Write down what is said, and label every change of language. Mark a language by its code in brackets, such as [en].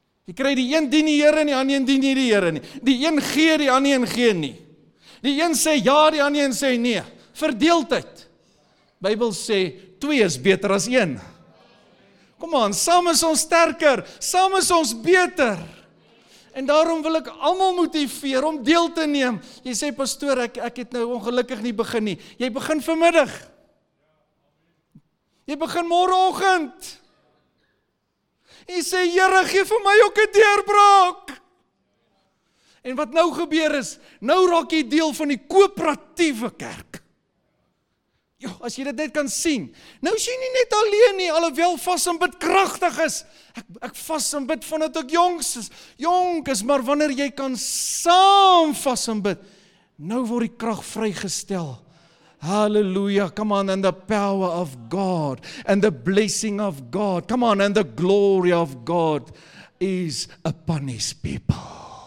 [af] Jy kry die een dien die Here nie, ander een dien nie die Here nie. Die een gee, die ander een gee nie. Die een sê ja, die ander een sê nee. Verdeeldheid. Bybel sê 2 is beter as 1. Kom aan, saam is ons sterker, saam is ons beter. En daarom wil ek almal motiveer om deel te neem. Jy sê, pastoor, ek het nou ongelukkig nie begin nie. Jy begin vanmiddag. Jy begin morgenoggend. Jy sê, Here, gee vir my ook 'n deurbraak. En wat nou gebeur is, nou raak jy deel van die koöperatiewe kerk. Jo, as jy dit net kan sien. Nou is jy nie net alleen nie, alhoewel vas en bid krachtig is. Ek vas en bid vandat ek jonk is, maar wanneer jy kan saam vas en bid, nou word die krag vrygestel. [en] Hallelujah, come on, and the power of God, and the blessing of God, come on, and the glory of God is upon His people.